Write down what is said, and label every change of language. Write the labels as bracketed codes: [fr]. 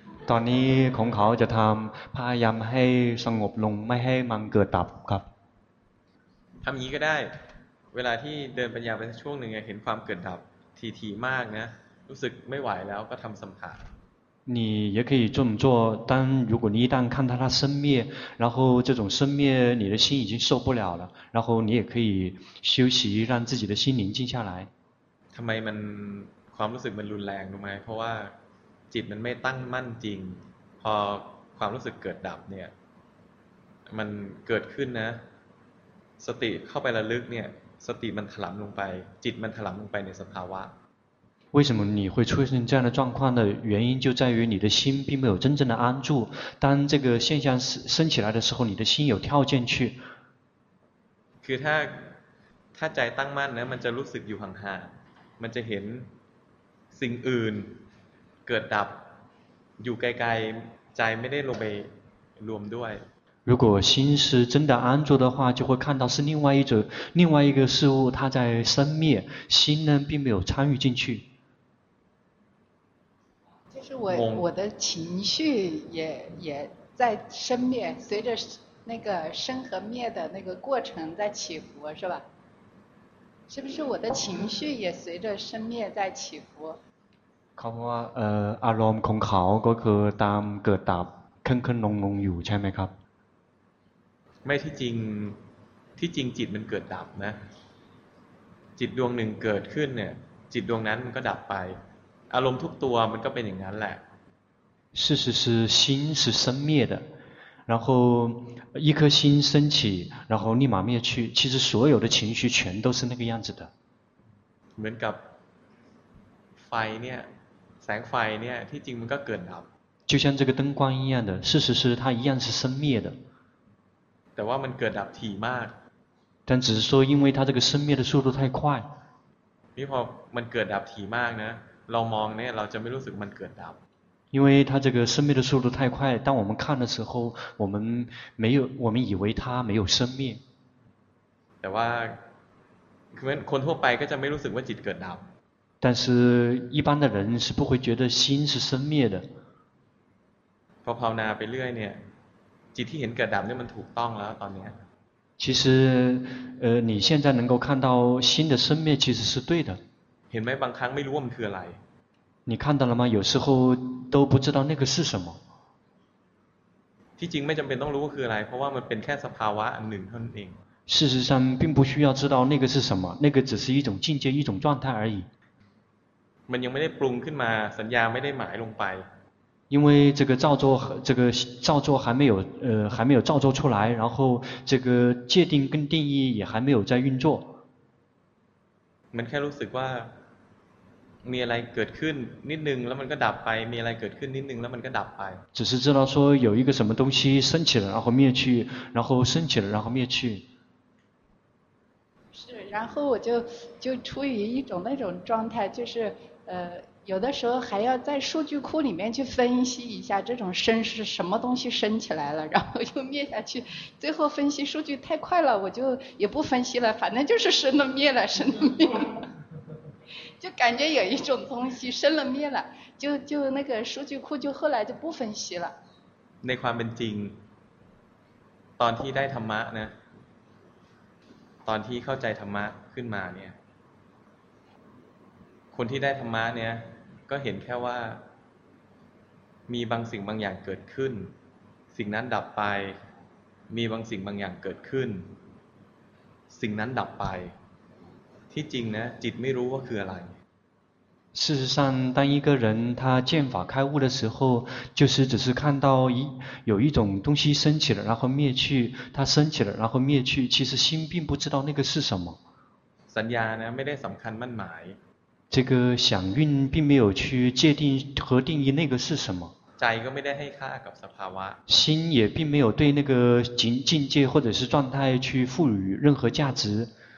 [th] ตอนนี้ของเขาจะทำพยายามให้สงบลงไม่ให้มันเกิดดับครับ ทำอย่างนี้ก็ได้เวลาที่เดินปัญญาไปช่วงหนึ่งเห็นความเกิดดับทีๆมากนะรู้สึกไม่ไหวแล้วก็ทำสมถะ [zh] 你也可以这么做但如果你一旦看到它生灭然后这种生灭你的心已经受不了了然后你也可以休息让自己的心宁静下来 [th] ทำไมมันความรู้สึกมันรุนแรงรู้ไหมเพราะว่าจิตมันไม่ตั้งมั่นจริงพอความรู้สึกเกิดดับเนี่ยมันเกิดขึ้นนะสติเข้าไประลึกเนี่ยสติมันถลำลงไปจิตมันถลำลงไปในสภาวะ [zh] 为什么你会出现这样的状况的原因就在于你的心并没有真正的安住当这个现象升起来的时候你的心有跳进去 [th] คือถ้าใจตั้งมั่นนะมันจะรู้สึกอยู่ห่างๆมันจะเห็นสิ่งอื่นเกิดดับอยู่ไกลๆใจไม่ได้ลงไปรวมด้วย [zh] 如果心是真的安住的话就会看到是另外一个事物它在生灭心呢并没有参与进去就是我的情绪也在生灭随着那个生和灭的那个过程在起伏是吧是不是我的情绪也随着生灭在起伏 [th] เขาว่าอารมณ์ของเขาก็คือตามเกิดดับขึ้นขึ้นลงลงอยู่ใช่ไหมครับ ไม่ที่จริงจิตมันเกิดดับนะจิตดวงหนึ่งเกิดขึ้นเนี่ยจิตดวงนั้นมันก็ดับไปอารมณ์ทุกตัวมันก็เป็นอย่างนั้นแหละ [zh] 事实是心是生灭的然后一颗心升起然后立马灭去其实所有的情绪全都是那个样子的 [th] เหมือนกับไฟเนี่ยแสงไฟเนี่ยที่จริงมันก็เกิดดับ [zh] 就像这个灯光一样的事实是它一样是生灭的 [th] แต่ว่ามันเกิดดับถี่มาก [zh] 但只是说因为它这个生灭的速度太快 [th] นี่พอมันเกิดดับถี่มากนะเรามองเนี่ยเราจะไม่รู้สึกมันเกิดดับ [zh] 因为它这个生灭的速度太快当我们看的时候我们以为它没有生灭 [th] แต่ว่าคือคนทั่วไปก็จะไม่รู้สึกว่าจิตเกิดดับ [zh] 但是一般的人是不会觉得心是生灭的。 [th] พอภาวนาไปเรื่อยเนี่ยจิตที่เห็นเกิดดับเนี่ยมันถูกต้องแล้วตอนนี้ [zh] 其实你现在能够看到心的生灭其实是对的。 [th] เห็นไหมบางครั้งไม่รู้ว่ามันคืออะไร [zh] 你看到了吗有时候都不知道那个是什么 [th] ที่จริงไม่จำเป็นต้องรู้ว่าคืออะไรเพราะว่ามันเป็นแค่สภาวะอันหนึ่งเท่านั้นเอง [zh] 事实上并不需要知道那个是什么那个只是一种境界一种状态而已 [th] มันยังไม่ได้ปรุงขึ้นมาสัญญาไม่ได้หมายลงไป [zh] 因为这个造作这个造作还没有还没有造作出来然后这个界定跟定义也还没有在运作 [th] มันแค่รู้สึกว่ามีอะไรเกิดขึ้นนิดนึงแล้วมันก็ดับไปมีอะไรเกิดขึ้นนิดนึงแล้วมันก็ดับไป [zh] 只是知道说有一个什么东西升起了然后灭去然后升起了然后灭去是然后我就处于一种那种状态就是有的时候还要在数据库里面去分析一下这种生是什么东西生起来了然后又灭下去最后分析数据太快了我就也不分析了反正就是生了灭了生了灭了就感觉有一种东西生了灭了就那个数据库就后来就不分析了 [th] 那ความเป็นจริงตอนที่ได้ธรรมะนะตอนที่เข้าใจธรรมะขึ้นมาเนี่ยคนที่ได้ธรรมะเนี่ยก็เห็นแค่ว่ามีบางสิ่งบางอย่างเกิดขึ้นสิ่งนั้นดับไปมีบางสิ่งบางอย่างเกิดขึ้นสิ่งนั้นดับไปที่จริงนะจิตไม่รู้ว่าคืออะไร [zh] 事实上当一个人他见法开悟的时候就是只是看到有一种东西升起了然后灭去它升起了然后灭去其实心并不知道那个是什么 [th] สัญญาเนี่ยไม่ได้สำคัญมั่นหมาย [zh] 这个想运并没有去界定和定义那个是什么 [th] ใจก็ไม่ได้ให้ค่ากับสภาวะ [zh] 心也并没有对那个境界或者是状态去赋予任何价值